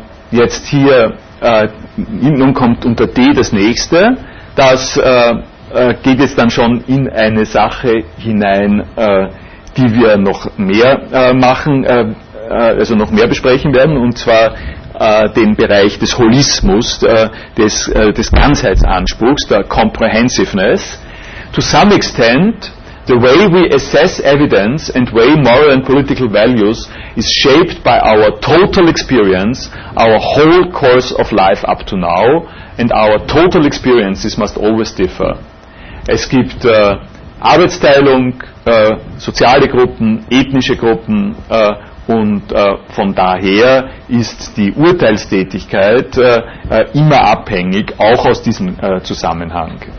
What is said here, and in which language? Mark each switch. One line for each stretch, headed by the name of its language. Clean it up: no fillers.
German: Jetzt hier, nun kommt unter D das nächste, das geht jetzt dann schon in eine Sache hinein, die wir noch mehr besprechen werden, und zwar den Bereich des Holismus, des Ganzheitsanspruchs, der Comprehensiveness.
English: To some extent, the way we assess evidence and weigh moral and political values is shaped by our total experience, our whole course of life up to now, and our total experiences must always differ.
German: Es gibt Arbeitsteilung, soziale Gruppen, ethnische Gruppen, und von daher ist die Urteilstätigkeit immer abhängig, auch aus diesem Zusammenhang.